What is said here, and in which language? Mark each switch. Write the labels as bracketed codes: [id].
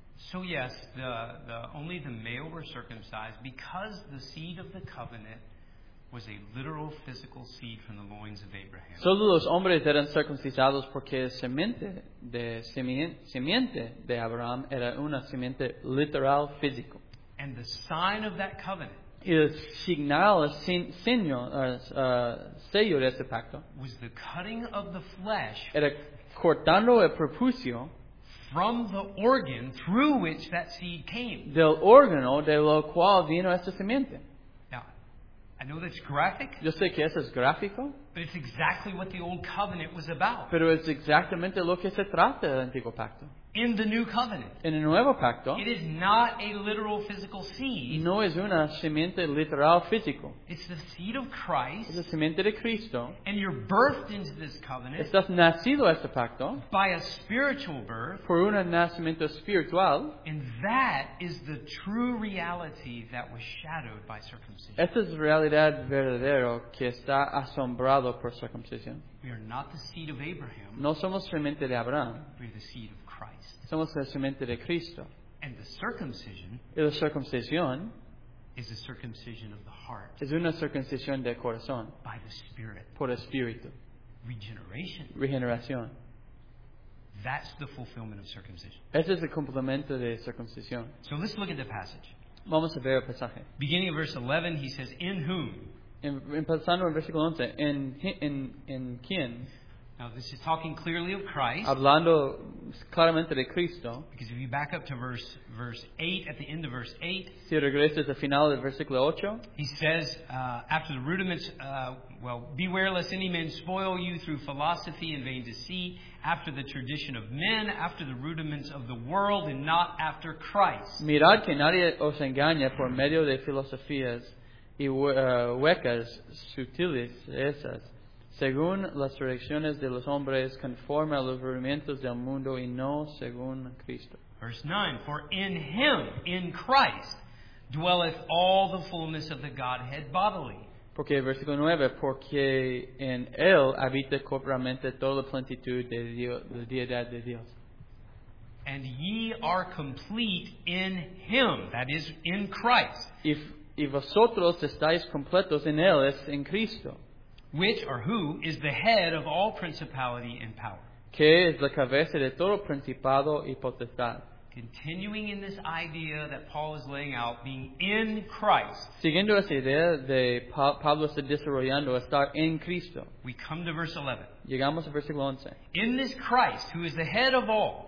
[en] So yes, the only the male were circumcised because the seed of the covenant was a literal physical seed from the loins of Abraham. [es] Solo los hombres eran circuncisados porque simiente de Abraham era una simiente literal físico. [en] And the sign of that covenant. [es] El signal, el sello de este pacto [en] was the cutting of the flesh, [es] era cortando el prepucio [en] from the organ through which that seed came, [es] del órgano de lo cual vino esta simiente. [en] I know that's graphic. [es] Yo sé que eso es gráfico. [en] But it's exactly what the old covenant was about. [es] Pero es exactamente lo que se trata del antiguo pacto. [en] In the new covenant. [es] En el nuevo pacto. [en] It is not a literal physical seed. [es] No es una simiente literal físico. [en] It's the seed of Christ. [es] Es la simiente de Cristo. [en] And you're birthed into this covenant. [es] Estás nacido a este pacto. [en] By a spiritual birth. [es] Por un nacimiento espiritual. [en] And that is the true reality that was shadowed by circumcision. [es] Esta es la realidad verdadera que está asombrado por circuncisión. [en] We are not the seed of Abraham. [es] No somos simiente de Abraham. [en] We are the seed of Christ. [es] Somos la simiente de Cristo. [en] And the circumcision. [es] Y la circuncisión. [en] Is a circumcision of the heart. [es] Es una circuncisión del corazón. [en] By the Spirit. [es] Por el Espíritu. [en] Regeneration. [es] Regeneración. [en] That's the fulfillment of circumcision. [es] Ese es el cumplimiento de circuncisión. [en] So let's look at the passage. [es] Vamos a ver el pasaje. [en] Beginning of verse 11, he says, "In whom?" [es] Empezando en versículo 11, en quién? [en] Now this is talking clearly of Christ. [es] Hablando claramente de Cristo. [en] Because if you back up to verse 8, at the end of verse 8. [es] Si regresas al final del versículo 8. [en] He says, after the rudiments, beware lest any men spoil you through philosophy and vain deceit, after the tradition of men, after the rudiments of the world, and not after Christ. [es] Mirad que nadie os engañe por medio de filosofías y huecas sutiles esas. Según las tradiciones de los hombres, conforme a los rudimentos del mundo y no según Cristo. [en] Verse 9, for in him, in Christ, dwelleth all the fullness of the Godhead bodily. [es] Porque versículo 9, porque en él habita corporalmente toda la plenitud de Dios, la deidad de Dios. [en] And ye are complete in him, that is, in Christ. [es] Y vosotros estáis completos en él, es en Cristo. [en] Which, or who, is the head of all principality and power. [es] Que es la cabeza de todo principado y potestad. [en] Continuing in this idea that Paul is laying out, being in Christ. [es] Siguiendo esa idea de Pablo está desarrollando, estar en Cristo. [en] We come to verse 11. [es] Llegamos al versículo 11. [en] In this Christ, who is the head of all.